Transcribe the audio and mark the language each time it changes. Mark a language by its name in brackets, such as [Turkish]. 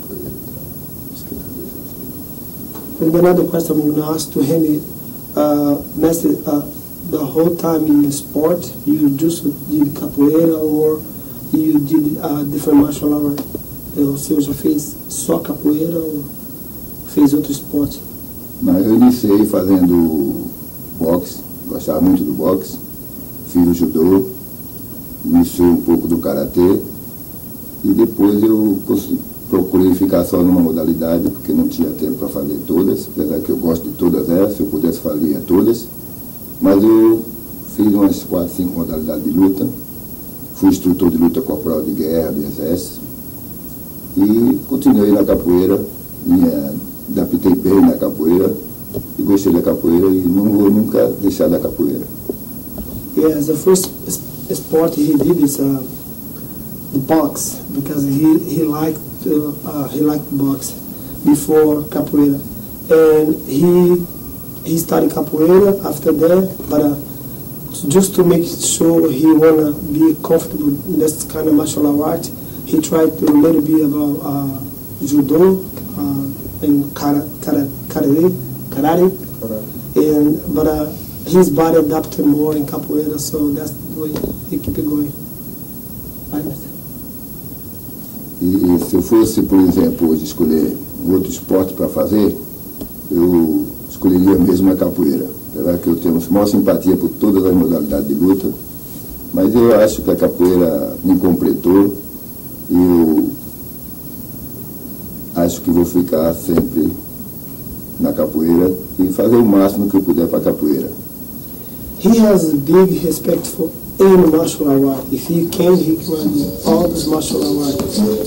[English] And another question I'm going to ask to him, Mestre, the whole time in the sport, you just did capoeira or you did a different martial art? [Portuguese] Ou seja, [English] you [Portuguese] fez só capoeira ou fez outro esporte? Mas eu iniciei fazendo boxe, gostava muito do boxe, fiz o judô, iniciei um pouco do karatê e depois eu procurei ficar só numa modalidade porque não tinha tempo para fazer todas, apesar que eu gosto de todas elas, se eu pudesse fazer todas, mas eu fiz umas 4, 5 modalidades de luta, fui instrutor de luta corporal de guerra, de exército e continuei na capoeira. Adaptei bem na capoeira e gostei da capoeira e não vou nunca deixar da capoeira. [English] Yes, the first sport he did is box because he liked box before capoeira. And he started capoeira after that, but just to make sure he wanna be comfortable in this kind of martial art, he tried to learn a bit about judo. In karate. But his body adapted more in capoeira, so that's the way he keep it going. [Portuguese] E se eu fosse, por exemplo, hoje escolher outro esporte para fazer, eu escolheria mesmo a capoeira. Será que eu tenho a maior simpatia por todas as modalidades de luta, mas eu acho que a capoeira me completou e eu acho que vou ficar sempre na capoeira e fazer o máximo que eu puder para a capoeira. [English] He has a big respect for any martial art. If he can, he can do all those martial arts.